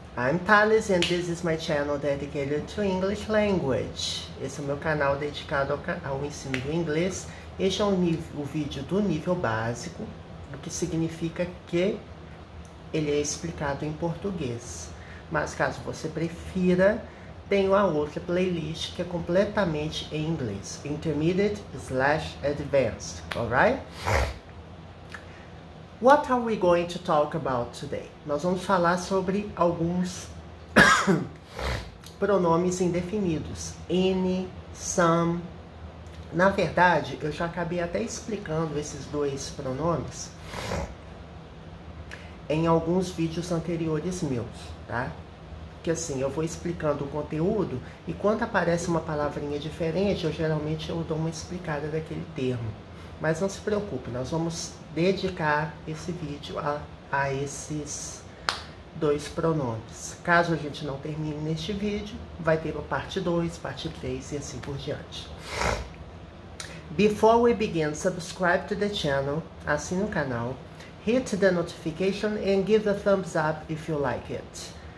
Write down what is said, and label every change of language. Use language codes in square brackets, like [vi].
[en] I'm Thales and this is my channel dedicated to English language. [pt] Esse é o meu canal dedicado ao ensino do inglês. Este é o vídeo do nível básico, o que significa que ele é explicado em português. Mas caso você prefira, tem uma outra playlist que é completamente em inglês. [en] Intermediate/Advanced, alright? What are we going to talk about today? [pt] Nós vamos falar sobre alguns pronomes indefinidos. [en] Any, some. [pt] Na verdade, eu já acabei até explicando esses dois pronomes em alguns vídeos anteriores meus, tá? Que assim, eu vou explicando o conteúdo e quando aparece uma palavrinha diferente, eu geralmente eu dou uma explicada daquele termo. Mas não se preocupe, nós vamos dedicar esse vídeo a esses dois pronomes. Caso a gente não termine neste vídeo, vai ter a parte 2, parte 3 e assim por diante. [en] Before we begin, subscribe to the channel, [pt] assine o canal, [en] hit the notification and give a thumbs up if you like it.